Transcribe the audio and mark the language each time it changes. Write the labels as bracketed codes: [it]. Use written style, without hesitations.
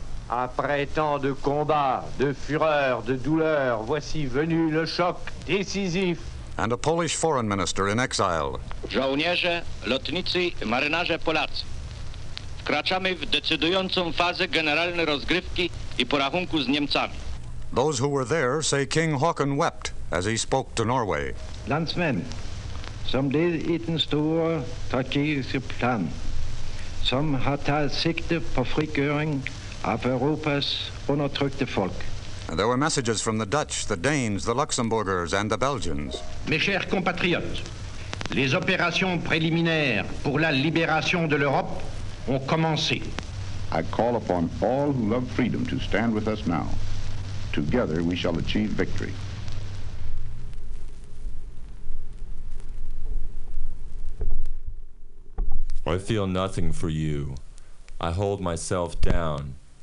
[fr] Après tant de combats, de fureur, de douleur, voici venu le choc décisif. [en] and a Polish foreign minister in exile. [pl] Żołnierze, lotnicy, marynarze Polacy. Wkraczamy w decydującą fazę generalnej rozgrywki i porachunku z Niemcami. [en] Those who were there say King Haakon wept as he spoke to Norway. [da] Landsmen, som led i den store strategiske plan, som har taget sigte på frigøring af Europas undertrykte folk. [en] There were messages from the Dutch, the Danes, the Luxembourgers, and the Belgians. [fr] Mes chers compatriotes, les opérations préliminaires pour la libération de l'Europe ont commencé. [en] I call upon all who love freedom to stand with us now. Together we shall achieve victory. I feel nothing for you. I hold myself down.